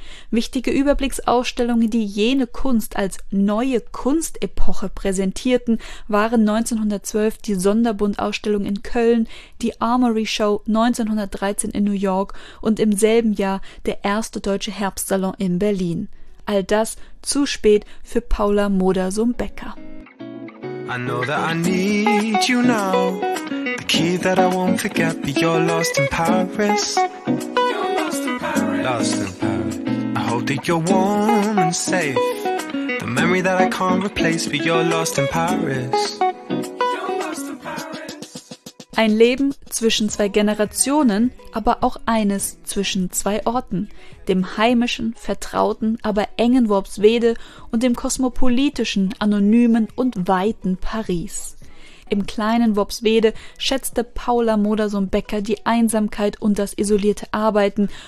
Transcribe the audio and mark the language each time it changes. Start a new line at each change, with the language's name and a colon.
German: Wichtige Überblicksausstellungen, die jene Kunst als neue Kunstepoche präsentierten, waren 1912 die Sonderbundausstellung in Köln, die Armory Show 1913 in New York und im selben Jahr der erste deutsche Herbstsalon in Berlin. All das zu spät für Paula Modersohn-Becker.
English: I know that I need you now. The key that I won't forget, that you're lost in Paris. You're lost in Paris. Lost in Paris. I hope that you're warm and safe. The memory that I can't replace, but you're lost in Paris.
German: Ein Leben zwischen zwei Generationen, aber auch eines zwischen zwei Orten. Dem heimischen, vertrauten, aber engen Worpswede und dem kosmopolitischen, anonymen und weiten Paris. Im kleinen Worpswede schätzte Paula Modersohn-Becker die Einsamkeit und das isolierte Arbeiten.